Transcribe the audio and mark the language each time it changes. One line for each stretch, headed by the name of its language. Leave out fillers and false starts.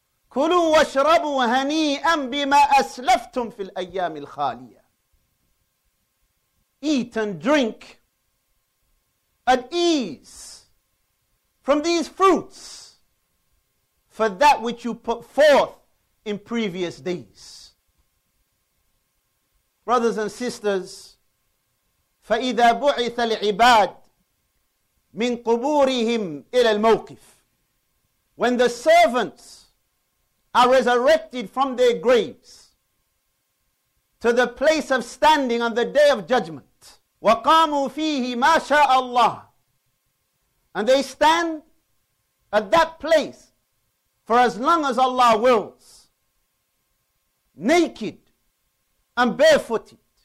Arabic: كُلُوا وَاشْرَبُوا هَنِيئًا بِمَا أَسْلَفْتُمْ فِي الْأَيَّامِ الْخَالِيَةِ.
English: Eat and drink at ease from these fruits for that which you put forth in previous days. Brothers and sisters,
Arabic: فَإِذَا بُعِثَ الْعِبَادِ مِنْ قُبُورِهِمْ إِلَى الْمَوْقِفِ.
English: When the servants are resurrected from their graves to the place of standing on the day of judgment,
Arabic: وَقَامُوا فِيهِ مَا شَاءَ اللَّهِ,
English: and they stand at that place for as long as Allah wills, naked and barefooted.